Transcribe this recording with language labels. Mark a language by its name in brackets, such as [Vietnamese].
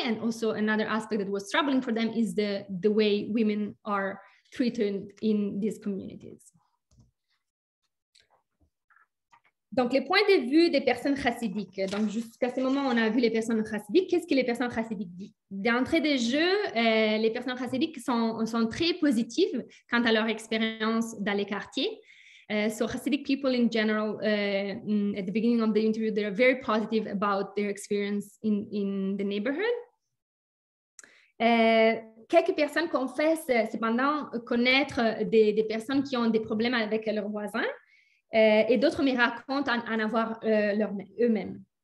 [English] And also another aspect that was troubling for them is the way women are treated in these communities. [French] Donc, les points de vue des personnes chassidiques. Donc, jusqu'à ce moment, on a vu les personnes chassidiques. Qu'est-ce que les personnes chassidiques disent? D'entrée de jeu, les personnes chassidiques sont très positives quant à leur expérience dans les quartiers. [English] So, Hasidic people in general, at the beginning of the interview, they are very positive about their experience in the neighborhood. [French] Quelques personnes confessent cependant connaître des personnes qui ont des problèmes avec leurs voisins. Et d'autres me racontent en avoir eux-mêmes.